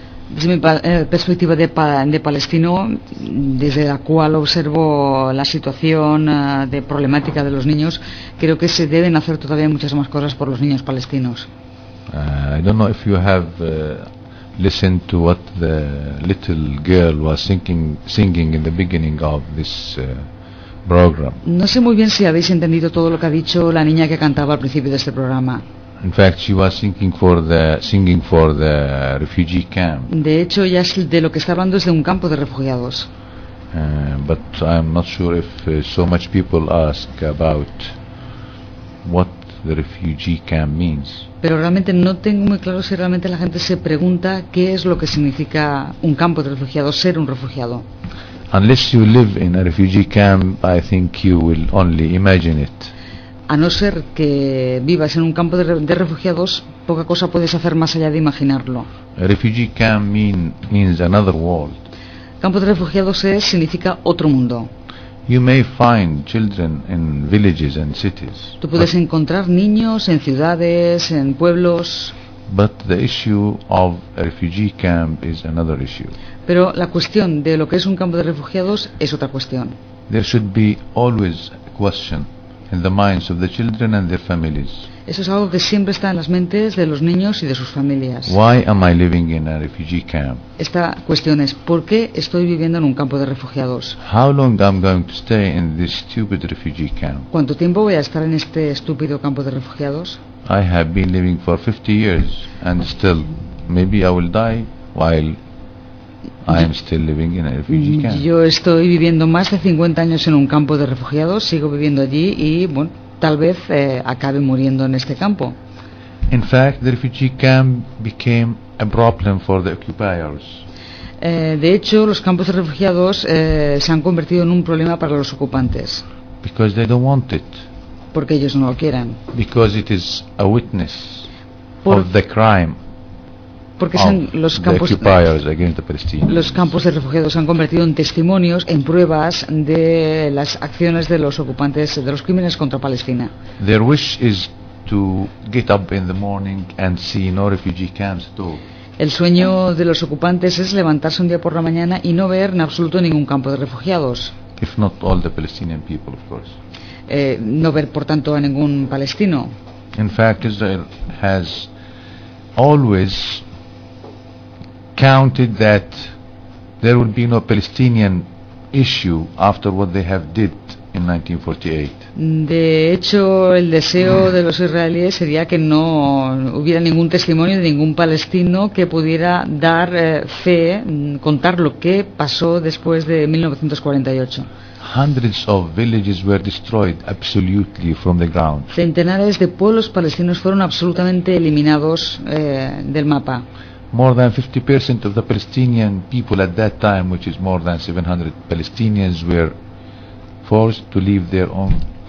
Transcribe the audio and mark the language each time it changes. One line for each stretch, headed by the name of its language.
Spanish: Desde mi perspectiva de palestino, desde la cual observo la situación de problemática de los niños, creo que se deben hacer todavía muchas más cosas por los niños palestinos.
English: I don't know if you have listened to what the little girl was singing in the beginning of this program.
Spanish: No sé muy bien si habéis entendido todo lo que ha dicho la niña que cantaba al principio de este programa.
English: In fact, she was singing for the refugee camp.
Spanish: De hecho, ya de lo que está hablando es de un campo de refugiados.
English: But I'm not sure if so much people ask about what the refugee camp means.
Spanish: Pero realmente no tengo muy claro si realmente la gente se pregunta qué es lo que significa un campo de refugiados, ser un refugiado.
English: Unless you live in a refugee camp, I think you will only imagine it.
Spanish: A no ser que vivas en un campo de refugiados, poca cosa puedes hacer más allá de imaginarlo.
English: A refugee camp means another world.
Spanish: Campo de refugiados significa otro mundo.
English: You may find children in villages and cities.
Spanish: Tú puedes encontrar niños en ciudades, en pueblos.
English: But the issue of a refugee camp is another issue.
Spanish: Pero la cuestión de lo que es un campo de refugiados es otra cuestión.
English: There should be always a question in the minds of the children and their families.
Spanish: Eso es algo que siempre está en las mentes de los niños y de sus familias.
English: Why am I living in a refugee camp?
Spanish: Esta cuestión es, ¿por qué estoy viviendo en un campo de refugiados?
English: How long am I going to stay in this stupid refugee camp?
Spanish: ¿Cuánto tiempo voy a estar en este estúpido campo de refugiados?
English: I have been living for 50 years and still maybe I will die while I am still living in a refugee camp.
Spanish: Yo estoy viviendo más de 50 años en un campo de refugiados, sigo viviendo allí y bueno, tal vez acabe muriendo en este campo.
English: In fact, the refugee camp became a problem for the occupiers.
Spanish: De hecho, los campos de refugiados se han convertido en un problema para los ocupantes.
English: Because they don't want it.
Spanish: Porque ellos no lo quieran.
English: Because it is a witness of the crime.
Spanish: Porque son los campos, los campos de refugiados han convertido en testimonios, en pruebas de las acciones de los ocupantes, de los crímenes contra Palestina.
English: Their wish is to get up in the morning and see no refugee camps at all.
Spanish: El sueño de los ocupantes es levantarse un día por la mañana y no ver en absoluto ningún campo de refugiados.
English: If not all the Palestinian people, of course.
Spanish: No ver por tanto a ningún palestino.
English: In fact, Israel has always counted that there would be no Palestinian issue after what they have did in 1948.
Spanish: De hecho, el deseo de los israelíes sería que no hubiera ningún testimonio de ningún palestino que pudiera dar fe, contar lo que pasó después de 1948.
English: Hundreds of villages were destroyed absolutely from the ground.
Spanish: Centenares de pueblos palestinos fueron absolutamente eliminados del mapa.
English: More than 50% of the Palestinian people at that time, which is more than 700 Palestinians, were forced to leave their own houses.